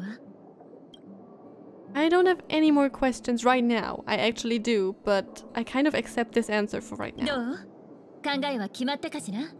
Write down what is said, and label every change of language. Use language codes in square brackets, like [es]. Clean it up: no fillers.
[ja] 性格はあんたにとって未知のものなのかもしれないけど、あんたの体内にそれがあるのは事実よ。このことをしっかりと胸に刻んでおけば、きっと遥か遠い未来に進むことができるわ。 [en] I don't have any more questions right now. I actually do, but I kind of accept this answer for right now. [ja] どう？考えは決まったかしら？